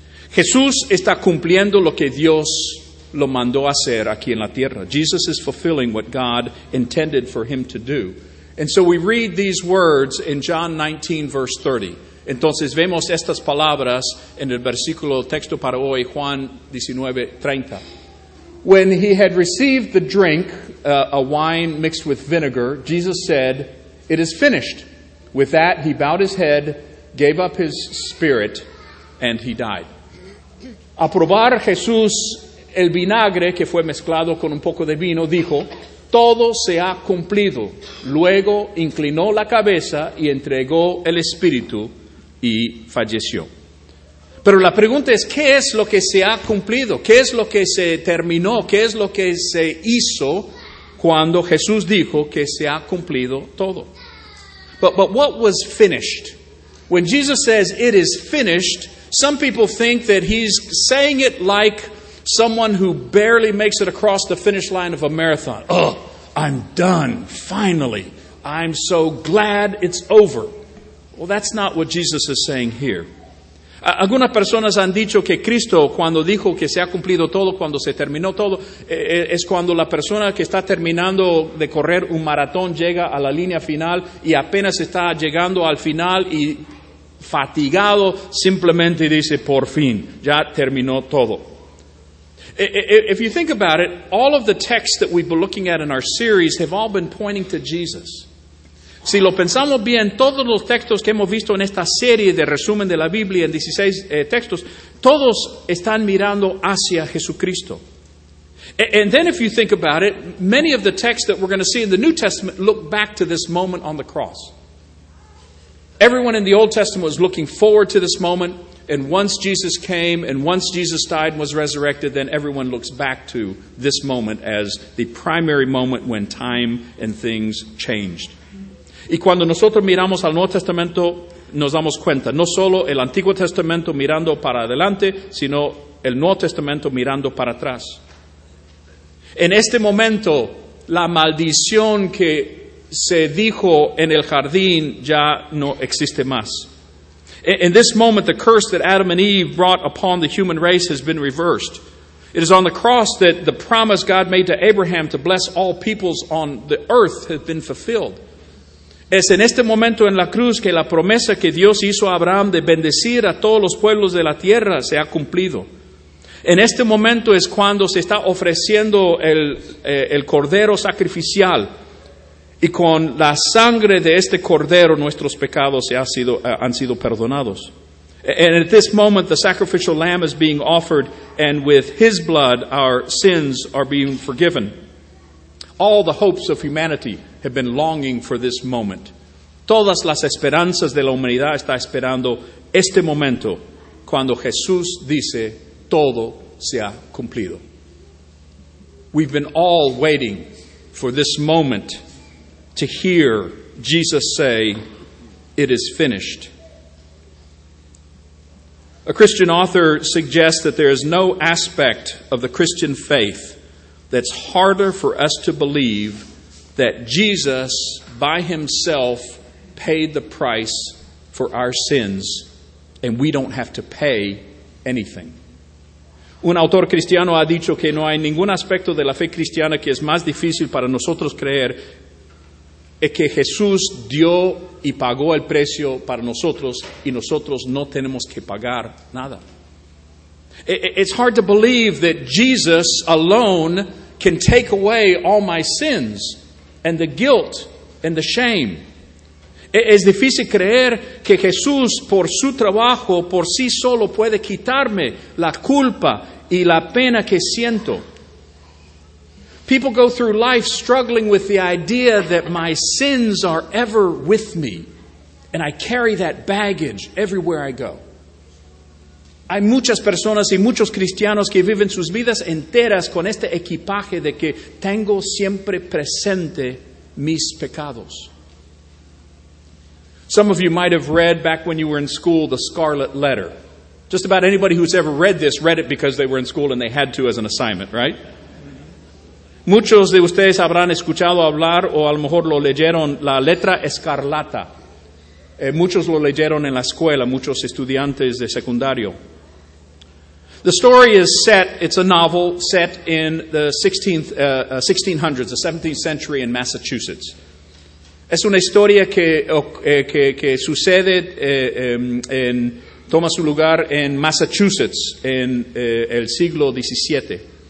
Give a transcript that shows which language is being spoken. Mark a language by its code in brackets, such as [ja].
[es] Jesús está cumpliendo lo que Dios lo mandó a hacer aquí en la tierra. [en] Jesus is fulfilling what God intended for him to do. And so we read these words in John 19, verse 30. [es] Entonces vemos estas palabras en el versículo texto para hoy, Juan 19, 30. [en] When he had received the drink, a wine mixed with vinegar, Jesus said, "It is finished." With that, he bowed his head, gave up his spirit, and he died. [es] A probar Jesús el vinagre, que fue mezclado con un poco de vino, dijo, "Todo se ha cumplido." Luego inclinó la cabeza y entregó el espíritu y falleció. Pero la pregunta es, ¿qué es lo que se ha cumplido? ¿Qué es lo que se terminó? ¿Qué es lo que se hizo cuando Jesús dijo que se ha cumplido todo? [en] But what was finished? When Jesus says, "It is finished," some people think that he's saying it like someone who barely makes it across the finish line of a marathon. "Oh, I'm done, finally. I'm so glad it's over." Well, that's not what Jesus is saying here. [es] Algunas personas han dicho que Cristo, cuando dijo que se ha cumplido todo, cuando se terminó todo, es cuando la persona que está terminando de correr un maratón llega a la línea final y apenas está llegando al final y fatigado, simplemente dice, por fin, ya terminó todo. [en] If you think about it, all of the texts that we've been looking at in our series have all been pointing to Jesus. [es] Si lo pensamos bien, todos los textos que hemos visto en esta serie de resumen de la Biblia, en 16 textos, todos están mirando hacia Jesucristo. [en] And then if you think about it, many of the texts that we're going to see in the New Testament look back to this moment on the cross. Everyone in the Old Testament was looking forward to this moment, and once Jesus came, and once Jesus died and was resurrected, then everyone looks back to this moment as the primary moment when time and things changed. [es] Y cuando nosotros miramos al Nuevo Testamento, nos damos cuenta, no solo el Antiguo Testamento mirando para adelante, sino el Nuevo Testamento mirando para atrás. En este momento, la maldición que se dijo en el jardín ya no existe más. [en] In this moment, the curse that Adam and Eve brought upon the human race has been reversed. It is on the cross that the promise God made to Abraham to bless all peoples on the earth has been fulfilled. [es] Es en este momento en la cruz que la promesa que Dios hizo a Abraham de bendecir a todos los pueblos de la tierra se ha cumplido. En este momento es cuando se está ofreciendo el cordero sacrificial y con la sangre de este cordero nuestros pecados han sido perdonados. [en] And at this moment the sacrificial lamb is being offered and with his blood our sins are being forgiven. All the hopes of humanity have been longing for this moment. [es] Todas las esperanzas de la humanidad está esperando este momento cuando Jesús dice, todo se ha cumplido. [en] We've been all waiting for this moment to hear Jesus say, it is finished. A Christian author suggests that there is no aspect of the Christian faith that's harder for us to believe that Jesus by himself paid the price for our sins and we don't have to pay anything. [es] Un autor cristiano ha dicho que no hay ningún aspecto de la fe cristiana que es más difícil para nosotros creer es que Jesús dio y pagó el precio para nosotros y nosotros no tenemos que pagar nada. [en] It's hard to believe that Jesus alone can take away all my sins and the guilt and the shame. [es] Es difícil creer que Jesús por su trabajo por sí solo puede quitarme la culpa y la pena que siento. [en] People go through life struggling with the idea that my sins are ever with me and I carry that baggage everywhere I go. [es] Hay muchas personas y muchos cristianos que viven sus vidas enteras con este equipaje de que tengo siempre presente mis pecados. [en] Some of you might have read back when you were in school the Scarlet Letter. Just about anybody who's ever read this read it because they were in school and they had to as an assignment, right? [es] Muchos de ustedes habrán escuchado hablar o a lo mejor lo leyeron la letra escarlata. Muchos lo leyeron en la escuela, muchos estudiantes de secundario. [en] The story is set, it's a novel set in the 1600s, the 17th century in Massachusetts. [es] Es una historia que sucede, toma su lugar en Massachusetts en el siglo XVII.